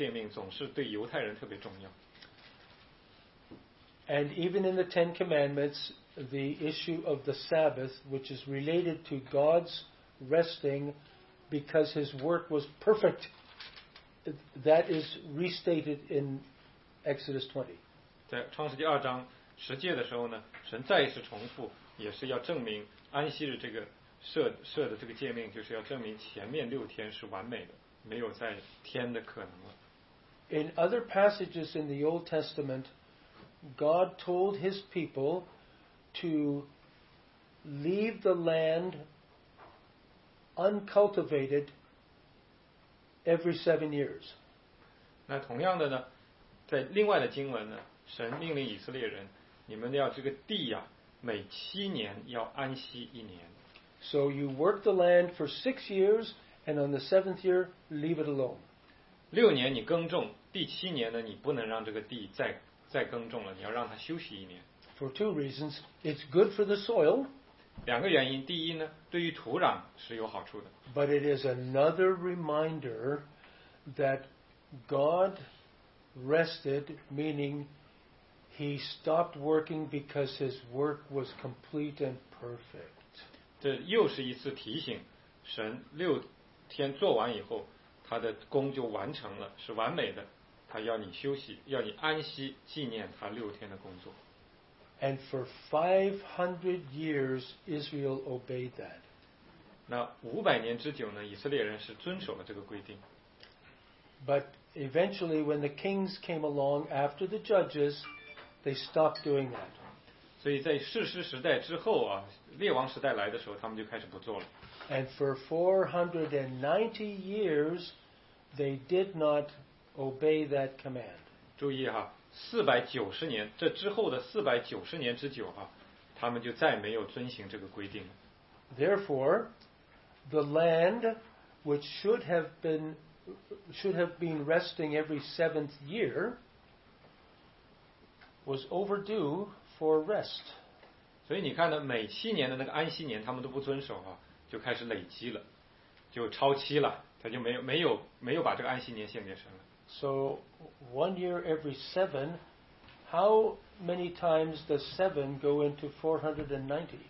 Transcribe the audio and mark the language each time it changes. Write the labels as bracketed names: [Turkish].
[Chinese] 因为提供安息日的这个诫命总是对犹太人特别重要, [English] and even in the Ten Commandments, the issue of the Sabbath, which is related to God's resting because his work was perfect, that is restated in Exodus 20. [Chinese] 在创世纪二章十诫的时候呢, 神再一次重复, 也是要证明安息日这个设的这个诫命, 就是要证明前面六天是完美的, 没有再添的可能了。 [English] In other passages in the Old Testament, God told his people to leave the land uncultivated every 7 years. [Chinese] 那同样的呢, 在另外的经文呢, 神命令以色列人, 你们要这个地啊, 每7年要安息一年。 [English] So you work the land for 6 years, and on the 7th year, leave it alone. [Chinese] 6年你耕种, 第7年呢, 你不能让这个地再耕种了, 你要让它休息一年。 [English] For 2 reasons, it's good for the soil. [Chinese] 两个原因, 第一呢, 对于土壤是有好处的。 [English] But it is another reminder that God rested, meaning he stopped working because his work was complete and perfect. [Chinese] 这又是一次提醒, 神6天做完以后, 他的工就完成了, 是完美的, 他要你休息, 要你安息, 纪念他6天的工作。 [English] And for 500 years, Israel obeyed that. [Chinese] 那500年之久呢, 以色列人是遵守了这个规定。 [English] But eventually, when the kings came along after the judges, they stopped doing that. [Chinese] 所以在士师时代之后啊，列王时代来的时候，他们就开始不做了。 [English] And for 490 years, they did not obey that command. [Chinese] 注意哈，490年，这之后的490年之久哈，他们就再没有遵行这个规定了。 [English] Therefore, the land which should have been resting every seventh year was overdue for rest. [Chinese] 所以你看呢，每七年的那个安息年，他们都不遵守啊，就开始累积了，就超期了，他就没有把这个安息年献给神了。 [English] So one year every seven, how many times does seven go into 490?